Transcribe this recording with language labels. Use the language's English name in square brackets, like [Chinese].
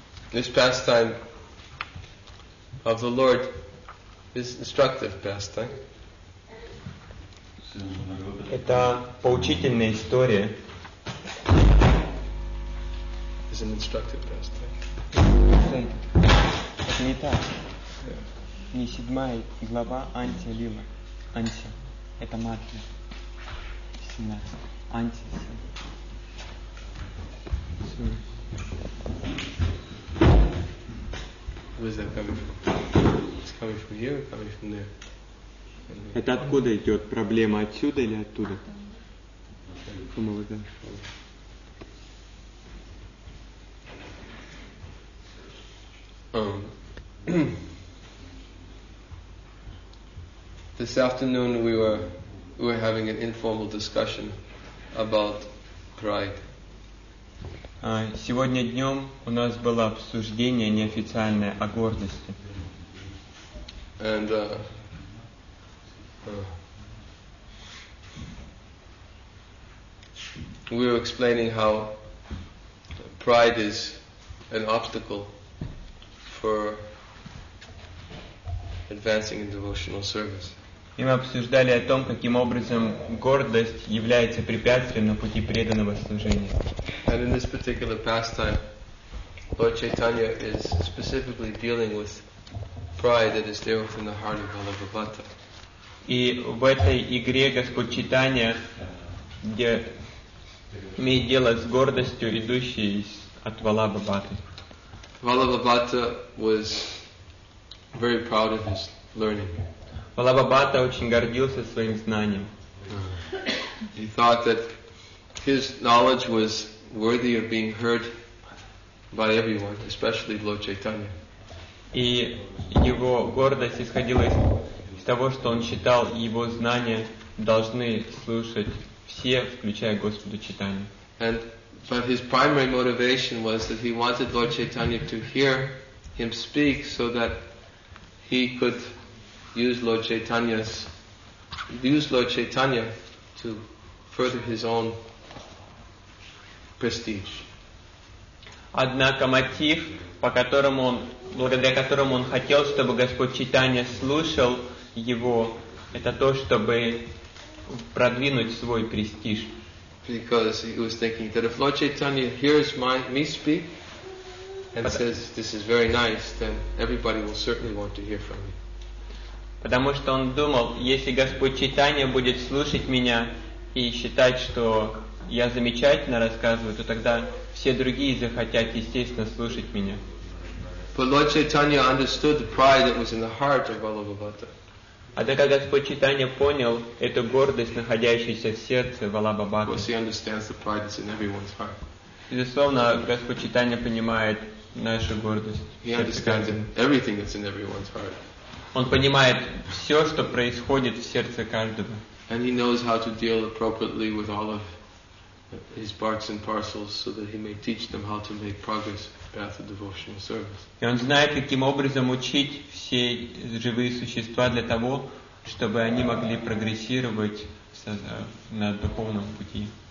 [English] This pastime of the Lord is instructive pastime. [Russian] Это поучительная история. [English] It's an instructive pastime. [Russian] Это не так. Не седьмая глава Анти Лила. Анти. Это Матфея. 17. Анти. [English] Where is that coming from? It's coming from here or coming from there? [Russian] Это откуда идет проблема? Отсюда или оттуда? [English] From over there. This afternoon we were having an informal discussion about pride. [Russian] Сегодня днем у нас было обсуждение неофициальное о гордости. [English] And, we were explaining how pride is an obstacle for advancing in devotional service. [Russian] И мы обсуждали о том, каким образом гордость является препятствием на пути преданного служения. [English] And in this particular pastime, Lord Chaitanya is specifically dealing with pride that is there within the heart of Valabhavata. [Russian] И в этой игре Господь Чайтанья имеет дело с гордостью, идущей от Валабхаваты. [English] Валабхавата was very proud of his learning. [Russian] Валабхавата очень гордился своим знанием. [English] He thought that his knowledge was worthy of being heard by everyone, especially Lord Chaitanya. [Russian] И его гордость исходила из того, что он считал, его знания должны слушать все, включая Господа Чайтанью. [English] But his primary motivation was that he wanted Lord Chaitanya to hear him speak so that he could use Lord Chaitanya to further his own prestige. [Russian] Однако мотив, благодаря которому он хотел, чтобы Господь Чайтанья слушал его, это то, чтобы продвинуть свой престиж. [English] Because he was thinking that if Lord Chaitanya hears me speak and says this is very nice, then everybody will certainly want to hear from me. [Russian] Потому что он думал, если Господь Чайтанья будет слушать меня и считать, что я замечательно рассказываю, то тогда все другие захотят, естественно, слушать меня. [English] But Lord Chaitanya understood the pride that was in the heart of Valabhavata. [Russian] Однако Господь Чайтанья понял эту гордость, находящуюся в сердце Валабхавата. [English] Because he understands the pride that's in everyone's heart. [Russian] Безусловно, Господь Чайтанья понимает нашу гордость. [English] He understands everything that's in everyone's heart. [Russian] Он понимает все, что происходит в сердце каждого. [English] And he knows how to deal appropriately with all of his parts and parcels so that he may teach them how to make progress in the path of devotional service. [Russian] И он знает, каким образом учить все живые существа для того, чтобы они могли прогрессировать на духовном пути.